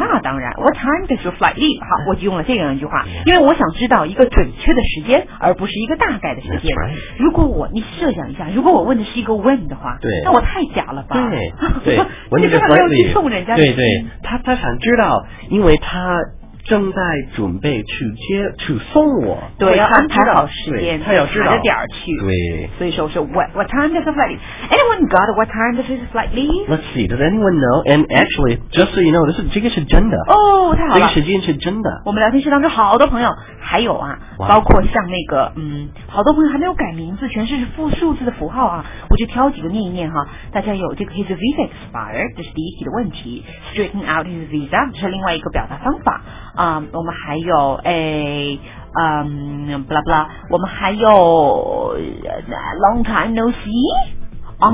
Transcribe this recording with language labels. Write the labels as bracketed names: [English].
[Chinese] 那当然 [English] what time does your flight leave [Chinese] 好我就用了这样一句话因为我想知道一个准确的时间而不是一个大概的时间、 [English] right. [Chinese] 如果我你设想一下如果我问的是一个 when 的话对那我太假了吧对对你根本没有去送人家对对他想知道因为他正在准备去接去送我对要安排好时间他要查着点儿去对所以说是 [English] what time does the flight leave anyone got what time does his flight leave let's see does anyone know and actually just so you know [Chinese] 这个是真的哦太好了这个时间是真的我们聊天室当中好多朋友还有啊、wow. 包括像那个好多朋友还没有改名字，全是复数字的符号啊，我就挑几个念一念哈。大家有这个 [English] his visa expired， [Chinese] 这是第一题的问题， [English] straighten out his visa [Chinese] 是另外一个表达方法啊、我们还有blah blah， 我们还有 [English] long time no see on、